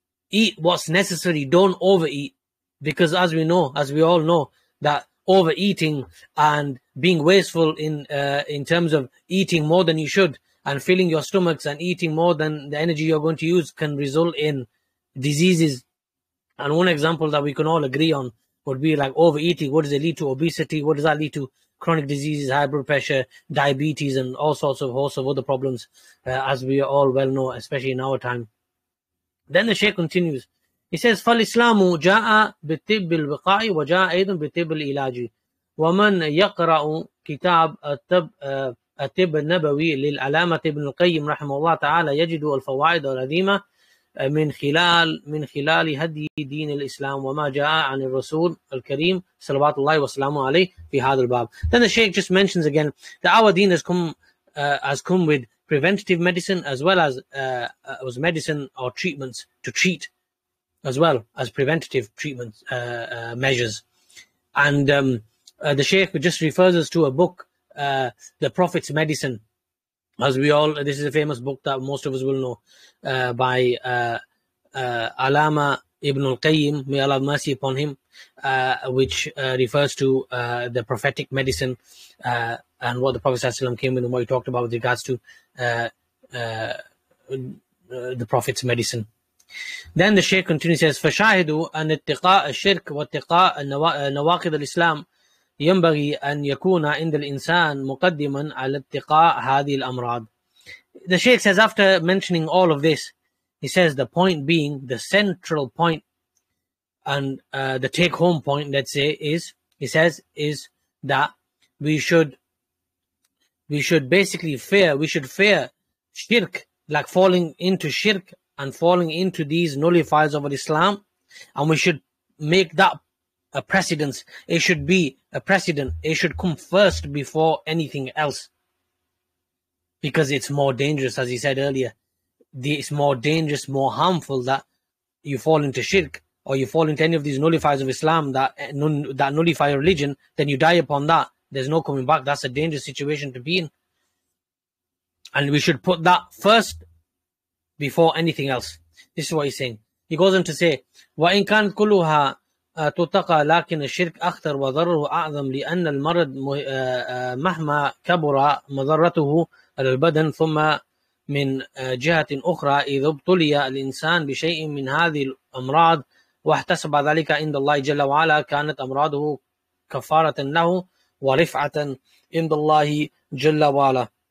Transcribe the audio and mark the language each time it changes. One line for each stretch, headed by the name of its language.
English: Eat what's necessary. Don't overeat. Because as we know, as we all know, that overeating and being wasteful in terms of eating more than you should and filling your stomachs and eating more than the energy you're going to use can result in diseases. And one example that we can all agree on would be like overeating. What does it lead to? Obesity. What does that lead to? Chronic diseases, high blood pressure, diabetes, and all sorts of hosts of other problems, as we all well know, especially in our time. Then the Shaykh continues. He says,
Arabic: فَالْإِسْلَامُ جَاءَ بِالْتِبِّ الْوِقَاءِ وَجَاءَ أَيْضًا بِالْتِبِّ الْإِلَاجِ وَمَنْ يَقْرَأُ كِتَابَ الطب النبوي للعلامة ابن القيم رحمه الله تعالى يجد الفوائد العظيمة من خلال هدي دين الإسلام وما جاء عن الرسول الكريم صلوات الله وسلامه عليه في هذا الباب.
English: Then the Shaykh just mentions again that our deen has come with preventative medicine as well as medicine or treatments to treat, as well as preventative treatment measures. And the Shaykh just refers us to a book, The Prophet's Medicine. This is a famous book that most of us will know by Alama Ibn al-Qayyim, may Allah have mercy upon him, which refers to the prophetic medicine and what the Prophet ﷺ came with and what he talked about with regards to the Prophet's medicine. Then the Shaykh continues, says,
Arabic: فَشَاهِدُوا أَنْ اتِّقَاءَ الشِّرْكِ وَاتِّقَاءَ نَوَاقِذَ الْإِسْلَامِ ينبغي أن يكون عند الإنسان مقدما على اتقاء هذه الأمراض.
English: The Shaykh says, after mentioning all of this, he says the point being, the central point and the take home point, let's say, is that we should basically fear, we should fear shirk, like falling into shirk and falling into these nullifiers of Islam, and we should make that a precedence. It should be a precedent. It should come first before anything else, because it's more dangerous, as he said earlier. It's more dangerous, more harmful that you fall into shirk or you fall into any of these nullifiers of Islam, that nullify religion, then you die upon that. There's no coming back. That's a dangerous situation to be in. And we should put that first before anything else. This is what he's saying. He goes on to say,
Arabic: وَإِنْ كَانْ كُلُّهَا تتقى لكن الشرك أخطر وضرره أعظم لأن المرض مهما كبر مضرته على البدن ثم من جهة أخرى إذا ابتلي الإنسان بشيء من هذه الأمراض واحتسب ذلك عند الله جل وعلا كانت أمراضه كفارة له ورفعة عند الله جل وعلا.